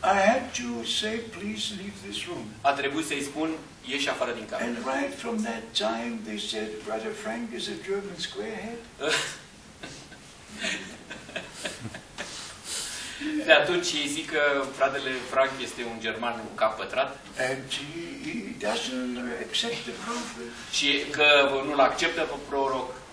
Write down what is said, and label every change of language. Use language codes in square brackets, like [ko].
[en] I had to say, please leave this room. [ro] A trebuit să-i spun, ieși afară din cameră. [en] And right from that time, they said, Brother Frank is a German squarehead. [ro] De atunci îi zic că fratele Frank este un german cu cap pătrat. [en] And he doesn't accept the prophet. [ro] Și că nu-l acceptă pe proroc.